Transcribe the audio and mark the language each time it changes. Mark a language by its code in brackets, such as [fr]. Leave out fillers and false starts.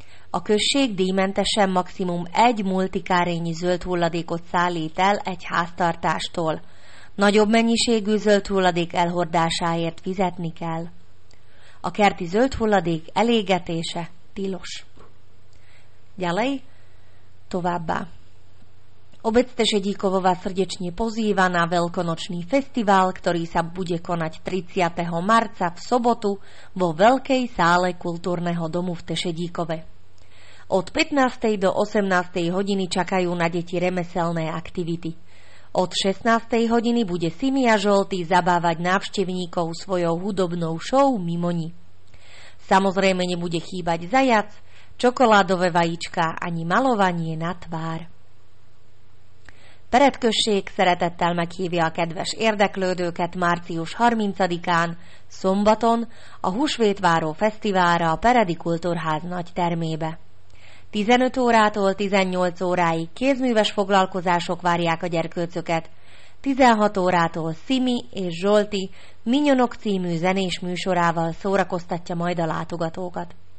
[hu] A község díjmentesen maximum 1 multikárényi zöld hulladékot szállít el egy háztartástól. Nagyobb mennyiségű zöld hulladék elhordásáért fizetni kell. A kerti zöld hulladék elégetése tilos. [sk] Ďalej, [hu] továbbá. [sk] Obec Tešedíkovo vás srdečne pozýva na veľkonočný festival, ktorý sa bude konať 30. marca v sobotu vo Veľkej sále kultúrneho domu v Tešedíkove. Od 15. do 18. hodiny čakajú na deti remeselné aktivity. Od 16. hodiny bude Simia Žolty zabávať návštevníkov svojou hudobnou show Mimoni. Samozrejme nebude chýbať zajac, Csokoládové vajíčka ani malovanie na tvár. [hu] Peretkösség szeretettel meghívja a kedves érdeklődőket március 30-án, szombaton, a Húsvétváró Fesztiválra a Peredi Kultúrház nagy termébe. 15 órától 18 óráig kézműves foglalkozások várják a gyerkőcöket, 16 órától Szimi és Zsolti Minyonok című zenés műsorával szórakoztatja majd a látogatókat.